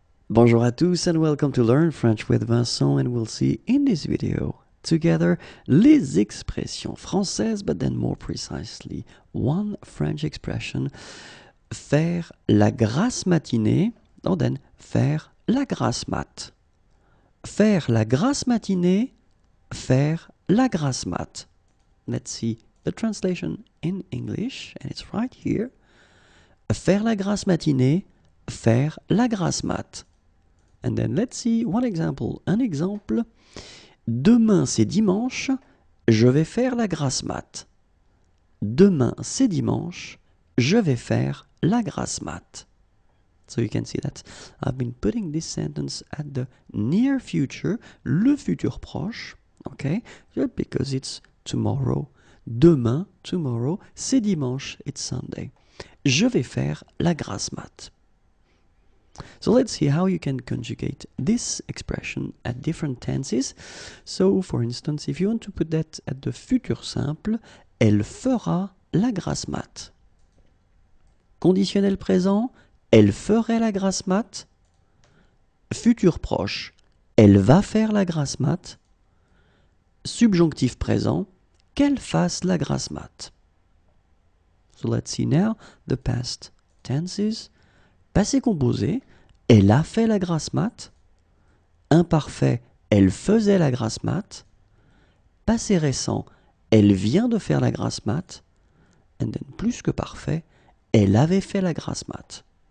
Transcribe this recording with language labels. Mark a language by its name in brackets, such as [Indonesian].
[French] Bonjour à tous [English] and welcome to Learn French with Vincent, and we'll see in this video together [French] les expressions françaises, [English] but then more precisely one French expression, faire la grasse matinée, and then faire la grasse mat. [French] Faire la grasse matinée, faire la grasse mat. [English] Let's see the translation in English, and it's right here. [French] Faire la grasse matinée, faire la grasse mat. [English] And then let's see one example. [French] Un exemple. Demain c'est dimanche, je vais faire la grasse mat. Demain c'est dimanche, je vais faire la grasse mat. [English] So you can see that I've been putting this sentence at the near future, le futur proche, okay? Just because it's tomorrow. Demain, tomorrow, [French] c'est dimanche, [English] it's Sunday. [French] Je vais faire la grasse mat. [English] So let's see how you can conjugate this expression at different tenses. So, for instance, if you want to put that at the futur simple, [French] elle fera la grasse mat. Conditionnel présent, elle ferait la grasse mat. Futur proche, elle va faire la grasse mat. Subjonctif présent, qu'elle fasse la grasse mat. [English] So let's see now the past tenses. [French] Passé composé. Elle a fait la grasse mat. Imparfait, elle faisait la grasse mat. Passé récent, elle vient de faire la grasse mat. [English] And then [French] plus que parfait, elle avait fait la grasse mat.